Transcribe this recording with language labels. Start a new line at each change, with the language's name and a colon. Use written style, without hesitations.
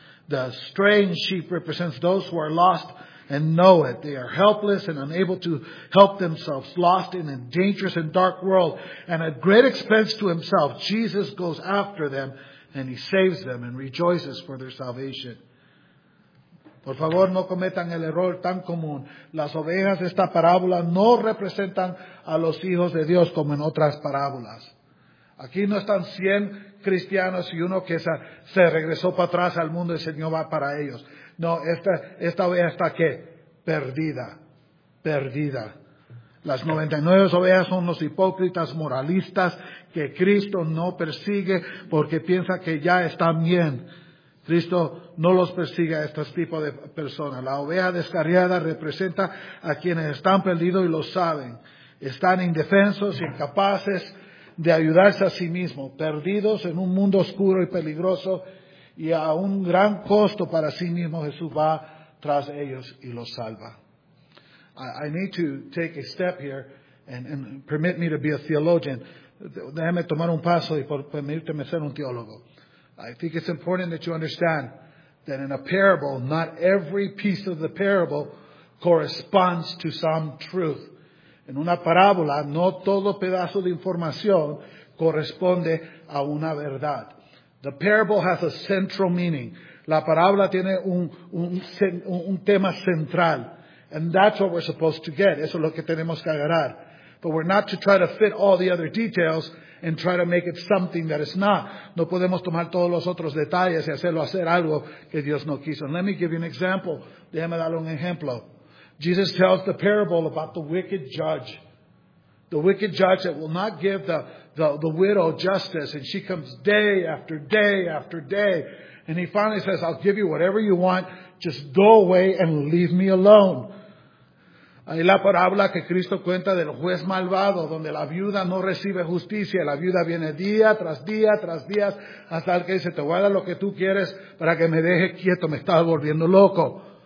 English: The straying sheep represents those who are lost and know it. They are helpless and unable to help themselves, lost in a dangerous and dark world. And at great expense to himself, Jesus goes after them and he saves them and rejoices for their salvation.
Spanish: Por favor, no cometan el error tan común. Las ovejas de esta parábola no representan a los hijos de Dios como en otras parábolas. Aquí no están 100 cristianos y uno que se regresó para atrás al mundo y el Señor va para ellos. No, esta oveja está ¿qué? Perdida. Perdida. Las 99 ovejas son los hipócritas moralistas que Cristo no persigue porque piensa que ya están bien. Cristo no los persigue a este tipo de personas. La oveja descarriada representa a quienes están perdidos y lo saben. Están indefensos, incapaces de ayudarse a sí mismos, perdidos en un mundo oscuro y peligroso y a un gran costo para sí mismo Jesús va tras ellos y los salva.
English: I need to take a step here and permit me to be a theologian.
Spanish: Déjame tomar un paso y permíteme ser un teólogo.
English: I think it's important that you understand that in a parable, not every piece of the parable corresponds to some truth.
Spanish: En una parábola, no todo pedazo de información corresponde a una verdad.
English: The parable has a central meaning.
Spanish: La parábola tiene un tema central.
English: And that's what we're supposed to get.
Spanish: Eso es lo que tenemos que agarrar.
English: But we're not to try to fit all the other details and try to make it something that it's not.
Spanish: No podemos tomar todos los otros detalles y hacerlo hacer algo que Dios no quiso.
English: And let me give you an example.
Spanish: Déjame darle un ejemplo.
English: Jesus tells the parable about the wicked judge. The wicked judge that will not give the widow justice. And she comes day after day after day. And he finally says, I'll give you whatever you want. Just go away and leave me alone.
Spanish: Ahí la parábola que Cristo cuenta del juez malvado, donde la viuda no recibe justicia. La viuda viene día tras día tras día hasta el que dice, te voy a dar lo que tú quieres para que me deje quieto, me estás volviendo loco.